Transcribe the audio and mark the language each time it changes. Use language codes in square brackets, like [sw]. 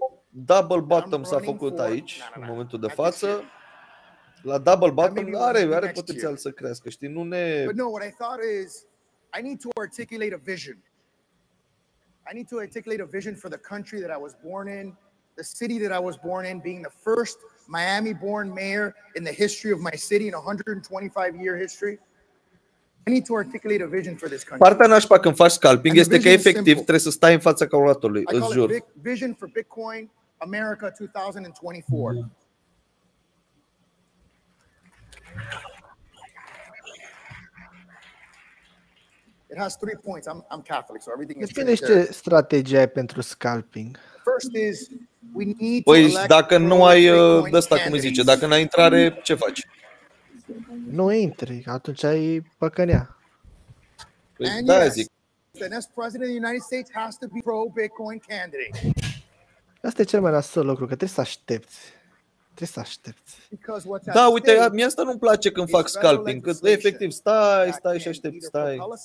[ro] Double bottom s-a făcut aici în momentul de față. La double bottom are potențial să crească, știi, nu ne. [en] But no, what I thought is I need to articulate a vision. I need to articulate a vision for the country that I was born in, the city that I was born in, being the first Miami-born mayor in the history of my city, in 125-year history. I need to articulate a vision for this country. [ro] Partea nașpa când faci scalping este că efectiv trebuie să stai în fața calculatorului, îți jur. [en] Vision for Bitcoin America 2024. It has three points. I'm Catholic, so everything is. [ro] Definește strategia pentru scalping. [en] First is we need to. [ro] Păi, dacă nu ai de asta, cum îi zice, dacă n-ai intrare, ce faci? Nu intri, atunci ai păcănea. Păi, da, yes, zic. [en] The next president of the United States has to be pro Bitcoin candidate. [ro] Asta e cel mai nasol lucru, că trebuie să aștepți. Trebuie să aștepți. Da, uite, mie asta nu-mi place când fac scalping, că efectiv stai și aștept, stai.